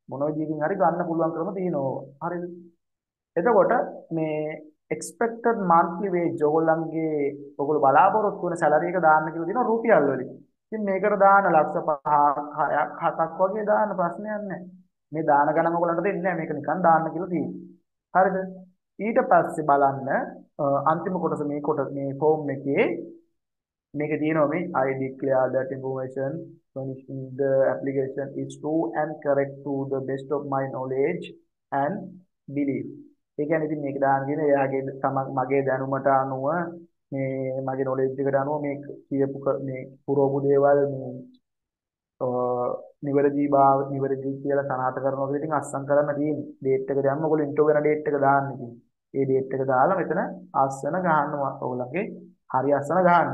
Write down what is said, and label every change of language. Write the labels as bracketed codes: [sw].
[si] මොන විදිහකින් හරි ගන්න පුළුවන් ක්‍රම තියෙනවා. හරිද? එතකොට මේ expected monthly wage ඕගොල්ලන්ගේ ඕගොල්ලෝ බලාපොරොත්තු වෙන salary එක දාන්න කියලා දෙනවා රුපියල් වලින්. ඉතින් මේකට දාන ලක්ෂ 5 6ක් 7ක් වගේ දාන ප්‍රශ්නයක් නැහැ. මේ දාන ගණන් ඔයගලන්ට දෙන්නේ නැහැ. මේක නිකන් දාන්න කියලා තියෙනවා. හරිද? ඊට පස්සේ බලන්න අන්තිම කොටස මේ කොට මේ ෆෝම් එකේ මේක තියෙනවා මේ [en] I declare that information furnishing the application is true and correct to the best of my knowledge and belief. [si] ඒ කියන්නේ ඉතින් මේක දාන කියන එයාගේ මගේ දැනුමට අනුව මේ මගේ නොලෙජ් එකට අනුව මේ කියපු මේ පුරවපු දේවල් මේ නිවැරදි බව නිවැරදි කියලා සනාථ කරනවා කියලා ඉතින් අස්සම් කරන්න තියෙන්නේ. ඩේට් එක දැම්ම ඔයගොල්ලෝ ඉන්ටර්වයුව වෙන ඩේට් එක දාන්න ඉතින්. ඒ ඩේට් එක දාලා මෙතන අස්සන ගන්නවා ඔයගොල්ලන්ගේ හරි අස්සන ගන්න.